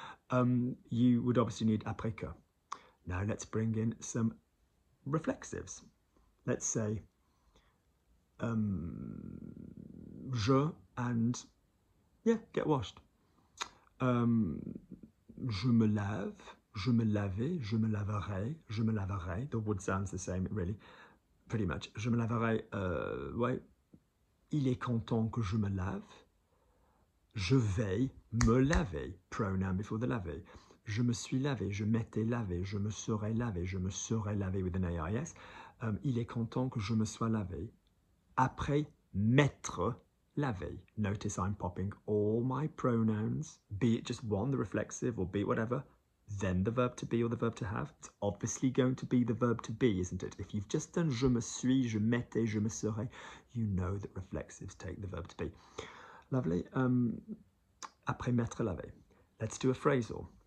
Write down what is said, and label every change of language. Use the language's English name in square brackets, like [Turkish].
[English] You would obviously need après que. Now let's bring in some reflexives. Let's say, je and, yeah, get washed. [French] Je me lave. Je me lavais, je me laverai, je me laverai. [English] The wood sounds the same, really, pretty much. [French] Je me laverai, ouais. Il est content que je me lave. Je vais me laver, [English] pronoun before the laver. [French] Je me suis lavé, je m'étais lavé, je me serai lavé, je me serai lavé [English] with an AIS. [French] Il est content que je me sois lavé. Après m'être lavé. [English] Notice I'm popping all my pronouns, be it just one, the reflexive, or be it whatever. Then the verb to be or the verb to have. It's obviously going to be the verb to be, isn't it? If you've just done [French] je me suis, je m'étais, je me serai, [English] you know that reflexives take the verb to be. Lovely. [French] Après m'être lavé. [English] Let's do a phrasal.